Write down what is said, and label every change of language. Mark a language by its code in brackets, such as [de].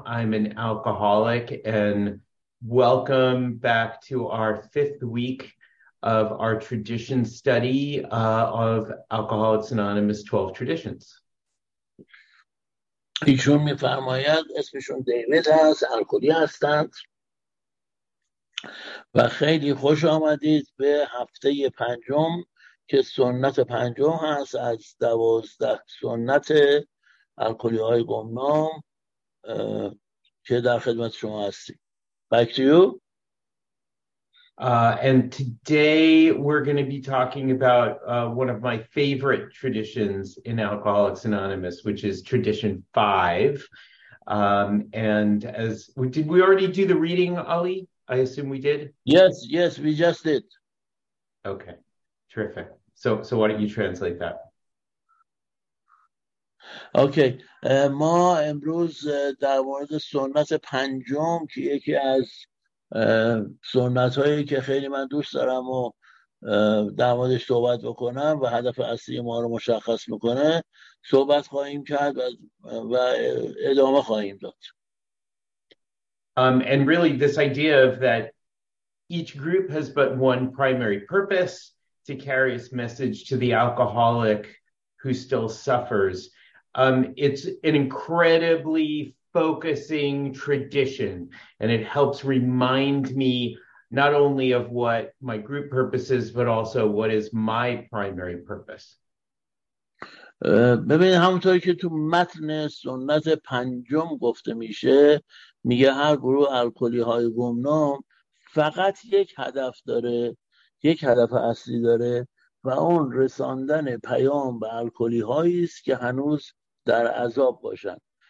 [en] I'm an alcoholic, and welcome back to our fifth week of our tradition study of Alcoholics Anonymous 12 Traditions. [fa] ایشون میفرماید اسمشون دیوید هست، الکلی هستند و خیلی خوش آمدید به هفته پنجم که سنت پنجم هست از 12 سنت الکلی های گمنام که در خدمت شما هستیم. [en] Back to you. And today we're going to be talking about one of my favorite traditions in Alcoholics Anonymous, which is tradition 5. And as did we already do the reading, Ali? I assume we did. Yes, we just did. Okay, terrific. So why don't you translate that? Okay. [fa] ما امروز در مورد سنت پنجم که یکی از سنت هایی که خیلی من دوست دارم و در موردش صحبت بکنم و هدف اصلی ما رو مشخص میکنه صحبت خواهیم کرد و ادامه خواهیم داد. [en] And really this idea of that each group has but one primary purpose to carry its message to the alcoholic who still suffers. It's an incredibly focusing tradition, and it helps remind me not only of what my group purpose is, but also what is my primary purpose. [fa] ببین، همونطور که تو متن سنت پنجم گفته میشه، میگه هر گروه الکلی های گمنام فقط یک هدف داره، یک هدف اصلی داره و اون رساندن پیام به الکلی هایی است که هنوز در عذاب باشند.